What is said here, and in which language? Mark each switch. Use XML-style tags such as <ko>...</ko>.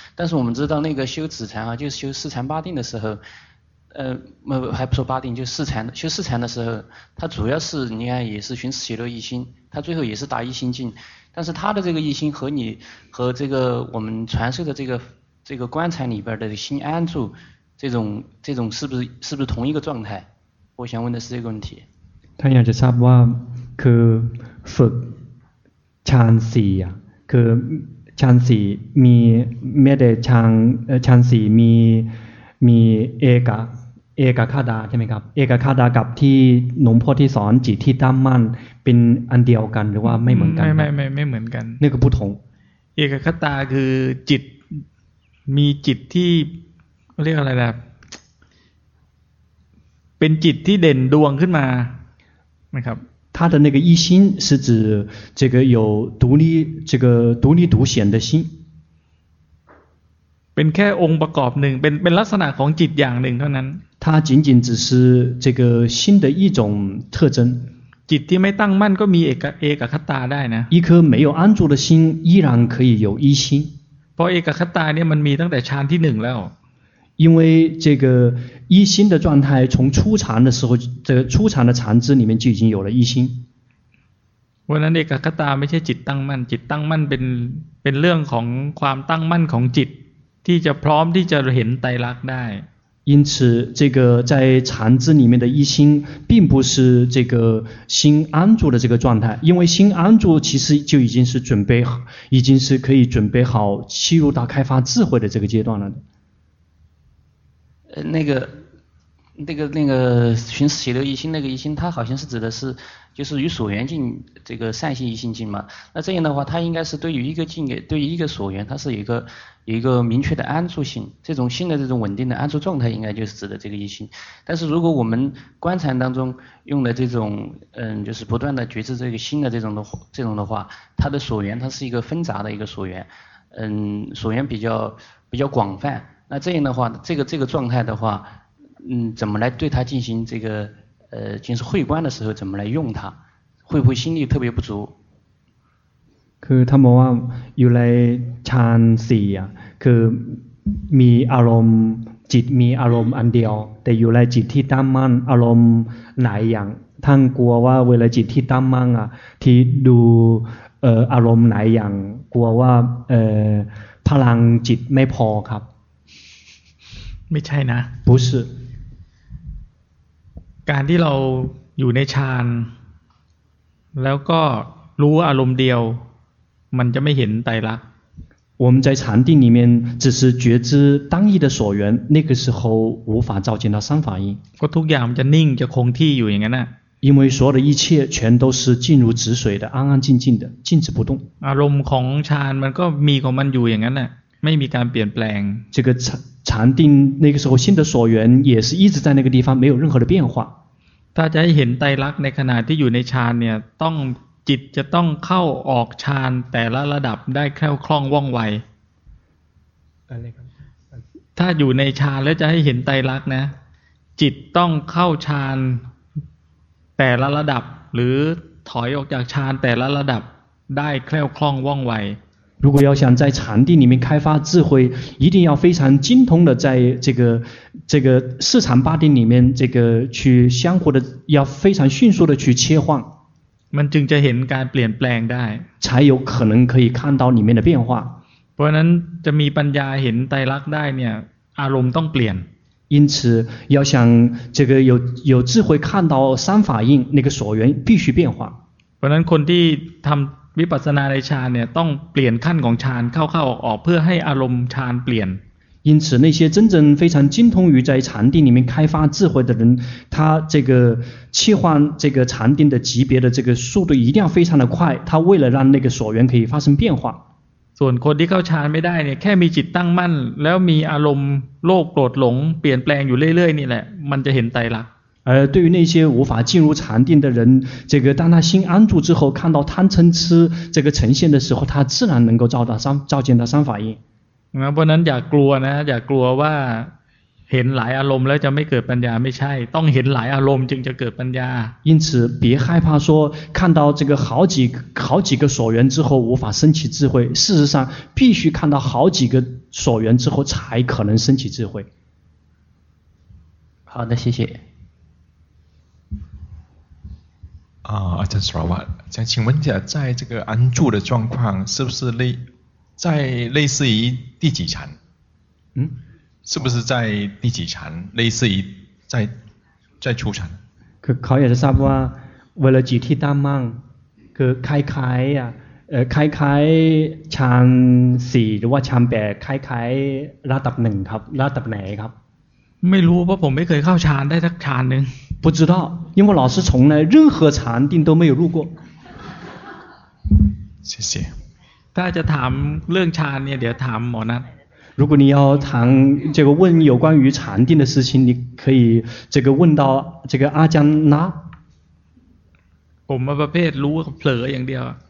<zh>但是我们知道那个修止禅啊，就是修四禅八定的时候，还不说八定，就四禅修四禅的时候，它主要是你看也是寻喜乐一心，它最后也是达一心境，但是它的这个一心和你和这个我们传授的这个观禅里边的心安住。这种是不是同一个状态？我想问的是这个问题。</zh> <th>ท่านอยากจะทราบว่าคือฝึกฌานสี่อ่ะคือฌานสี่มีไม่ได้ฌานสี่มีเอกคาดาใช่ไหมครับเอกคาดากับที่หลวงพ่อที่สอนจิตที่ตั้งมั่นเป็นอันเดียวกันหรือว่าไม่เหมือนกัน ไม่เหมือนกัน นี่คือ ผู้ถง เอกคาดาคือจิตมีจิตที่เรียกอะไรนะเป็นจิตที่เด่นดวงขึ้นมานะครับ</th> <zh>他的那个一心是指这个有独立这个独立独显的心</zh> <th>เป็นแค่องค์ประกอบหนึ่งเป็นลักษณะของจิตอย่างหนึ่งเท่านั้น</th> <zh>它仅仅只是这个心的一种特征</zh> <th>จิตที่ไม่ตั้งมั่นก็มีเอกคตาได้นะ</th> <zh>一颗没有安住的心依然可以有一心</zh> <th>เพราะเอกคตาเนี่ยมันมีตั้งแต่ฌานที่หนึ่งแล้ว</th> <zh>因为这个一心的状态从初禅的时候这个初禅的禅支里面就已经有了一心</zh> <th>วันนั้นเอกคตาไม่ใช่จิตตั้งมั่นจิตตั้งมั่นเป็นเรื่องของความตั้งมั่นของจิตที่จะพร้อมที่จะเห็นไตรลักษณ์ได้</th> <zh>因此这个在禅支里面的一心并不是这个心安住的这个状态因为心安住其实就已经是可以准备好进入到开发智慧的这个阶段了那个寻思喜乐一心那个一心它好像是指的是就是与所缘境这个善性一心境嘛那这样的话它应该是对于一个境界对于一个所缘它是有一个明确的安住性这种心的这种稳定的安住状态应该就是指的这个一心但是如果我们观禅当中用的这种就是不断的觉知这个心的这种的话它的所缘它是一个纷杂的一个所缘所缘比较广泛那这样的话这个状态的话怎么来对它进行这个就是会观的时候怎么来用它会不会心力特别不足</zh> <th>คือถ้ามองว่าอยู่ในฌานสี่อ่ะคือมีอารมณ์จิตมีอารมณ์อันเดียวแต่อยู่ในจิตที่ตั้งมั่นอารมณ์หลายอย่างท่านกลัวว่าเวลาจิตที่ตั้งมั่นอ่ะที่ดูอารมณ์หลายอย่างกลัวว่าพลังจิตไม่พอครับ ไม่ใช่นะ</th> <zh>不是</zh> <th>การที่เราอยู่ในฌานแล้วก็ รู้อารมณ์เดียวมันจะไม่เห็นไตรลักษณ์</th> <zh>我们在禅定里面只是觉知当意的所缘那个时候无法照见到三法印</zh> <th>ก็ทุกอย่างจะนิ่งจะคงที่อยู่อย่างนั้นน่ะ</th> <zh>因为所有的一切全都是静如止水的安安静静的静止不动</zh> <th>อารมณ์ของฌานมันก็มีของมันอยู่อย่างนั้นน่ะไม่มีการเปลี่ยนแปลง</th> <zh>这个禅定那个时候心的所缘也是一直在那个地方没有任何的变化</zh> <th>ถ้าจะให้เห็นไตรลักษณ์ในขณะที่อยู่ในฌานเนี่ยต้องจิตจะต้องเข้าออกฌานแต่ละระดับได้แคล่วคล่องว่องไวถ้าอยู่ในฌานแล้วจะให้เห็นไตรลักษณ์นะจิตต้องเข้าฌานแต่ละระดับหรือถอยออกจากฌานแต่ละระดับได้แคล่วคล่องว่องไว</th> <zh>如果要想在禅定里面开发智慧，一定要非常精通的在这个四禅八定里面，这个去相互的要非常迅速的去切换。</zh> <th>มันจึงจะเห็นการเปลี่ยนแปลงได้。</th> <zh>才有可能可以看到里面的变化。</zh> <th>เพราะนั้นจะมีปัญญาเห็นไตรลักษณ์ได้เนี่ยอารมณ์ต้องเปลี่ยน。</th> <zh>因此要想这个有智慧看到三法印那个所缘必须变化。</zh> <th>เพราะนั้นคนที่ทำวิปัสสนาในฌานเนี่ยต้องเปลี่ยนขั้นของฌานเข้าๆออกๆเพื่อให้อารมณ์ฌานเปลี่ยน</th> <zh>因此那些真正非常精通于在禅定里面开发智慧的人他这个切换这个禅定的级别的这个速度一定要非常的快他为了让那个所缘可以发生变化</zh> <th>ส่วนคนที่เข้าฌานไม่ได้เนี่ยแค่มีจิตตั้งมั่นแล้วมีอารมณ์โลภโกรธหลงเปลี่ยนแปลงอยู่เรื่อยๆนี่แหละมันจะเห็นไตรลักษณ์</th> <zh>而对于那些无法进入禅定的人，这个当他心安住之后，看到贪嗔痴这个呈现的时候，他自然能够照见到三法印。那不能</zh> <th>อย่ากลัวนะ อย่ากลัวว่าเห็นหลายอารมณ์แล้วจะไม่เกิดปัญญาไม่ใช่ต้องเห็นหลายอารมณ์จึงจะเกิดปัญญา</th> <zh>因此别害怕说看到这个好几个所缘之后无法升起智慧，事实上必须看到好几个所缘之后才可能升起智慧。好的，谢谢。啊，阿赞斯拉瓦，想请问一下，在这个安住的状况，是不是类似于第几禅？嗯，是不是在第几禅，类似于在初禅？</zh> <th>เขาอยากจะทราบว่าเวลาจิตที่ตั้งมั่งคือคล้ายอ่ะคล้ายฌานสี่หรือว่าฌานแปดคล้ายระดับหนึ่งครับระดับไหนครับ ไม่รู้เพราะผมไม่เคยเข้าฌานได้สักฌานนึง</th> <zh>不知道因为老师从来任何禅定都没有入过谢谢</zh> <th>ถ้าจะถามเรื่องฌานเนี่ยเดี๋ยวถามหมอนัท</th> <zh>如果你要谈这个问有关于禅定的事情你可以这个问到这个阿江拉</zh> <th>ผมมาประเภทรู้เผลออย่างเดียว</th>